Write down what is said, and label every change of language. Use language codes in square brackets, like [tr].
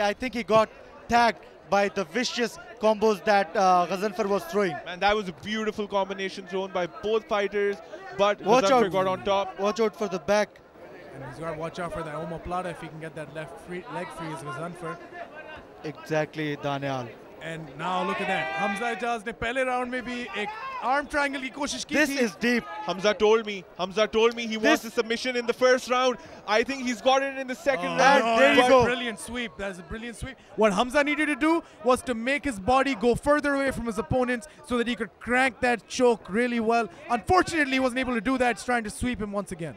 [en] I think he got tagged by the vicious combos that Ghazanfar was throwing. Man, that was a beautiful combination thrown by both fighters. But Ghazanfar got on top. Watch out for the back. And he's got to watch out for that omoplata if he can get that left free, leg free as Ghazanfar. Exactly, Daniel. And now look at that. [ur] حمزہ اعجاز نے پہلے round میں بھی ایک arm triangle کی کوشش کی. [en] This is deep. Hamza told me he wants a submission in the first round. I think he's got it in the second round. No, there you go. Brilliant sweep. That's a brilliant sweep. What Hamza needed to do was to make his body go further away from his opponents so that he could crank that choke really well. Unfortunately, he wasn't able to do that. He's trying to sweep him once again.